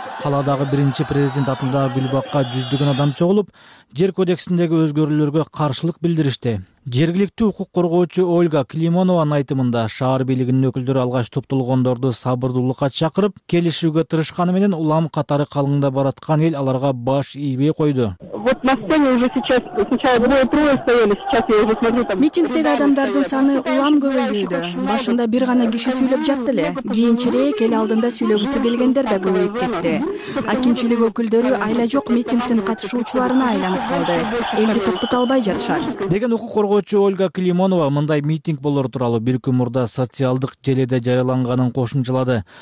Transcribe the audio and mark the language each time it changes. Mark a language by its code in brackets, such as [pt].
[ky] Каладагы биринчи президент атындагы гүлбакка жүздөгөн адам чогулуп, жер кодексиндеги өзгөрүүлөргө каршылык билдиришти. Жергиликтүү укук коргоочу Ольга Климонованын айтымында шаар бийлигинин өкүлдөрү алгач топтолгондорду сабырдуулукка чакырып, келишүүгө тырышканы менен улам катары калыңда бараткан эл аларга баш ийбей койду. [ru] Вот на сцене уже сейчас сначала было трое стояли, сейчас я уже смотрю там. [ky] Митингдеги адамдардын саны улам көбөйүүдө. Башында бир гана киши сүйлөп жатты эле. Кийинчерээк эл алдында сүйлөгүсү келгендер да көбөйүп кетти. Акимчилик өкүлдөрү айла жок митингдин катышуучуларына айланып калды. Элди токтото албай жатышат. Деген укук коргоочу Ольга Климонова мындай митинг болор тууралуу бир күн мурда социалдык желеде жарыяланганын кошумчалады.